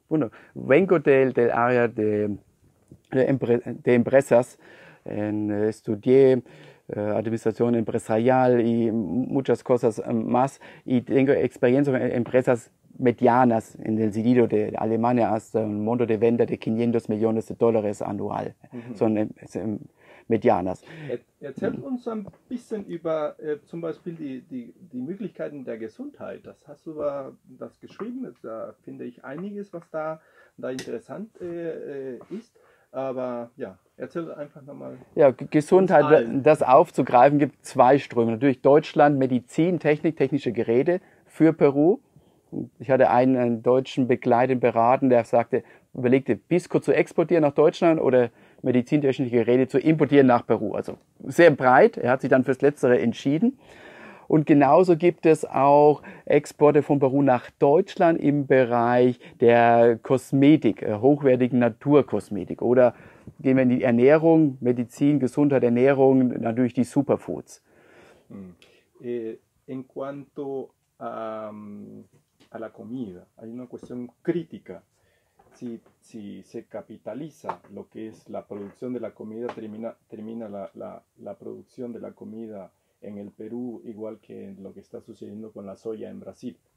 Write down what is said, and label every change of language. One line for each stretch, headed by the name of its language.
Spanish: Bueno, vengo del área de empresas, estudié Administración empresarial y muchas cosas más. Y tengo experiencia con empresas medianas en el sentido de Alemania hasta un monto de venta de 500 millones de dólares anual. Son medianas.
German: Erzähl uns ein bisschen über zum Beispiel die Möglichkeiten der Gesundheit. Das hast du das geschrieben. Da finde ich einiges, was da interessant ist. Aber ja, erzähl einfach nochmal. Ja, Gesundheit, das aufzugreifen, gibt zwei Ströme. Natürlich Deutschland, Medizin, Technik, technische Geräte für Peru. Ich hatte einen deutschen Begleiter beraten, der sagte, überlegte, Pisco zu exportieren nach Deutschland oder medizintechnische Geräte zu importieren nach Peru. Also sehr breit, er hat sich dann fürs Letztere entschieden. Und genauso gibt es auch Exporte von Peru nach Deutschland im Bereich der Kosmetik, hochwertigen Naturkosmetik. Oder gehen wir in die Ernährung, Medizin, Gesundheit, Ernährung, natürlich die Superfoods.
Spanish: En cuanto a la comida, hay una cuestión crítica. Si se capitaliza lo que es la producción de la comida, termina la producción de la comida en el Perú, igual que lo que está sucediendo con la soya en Brasil.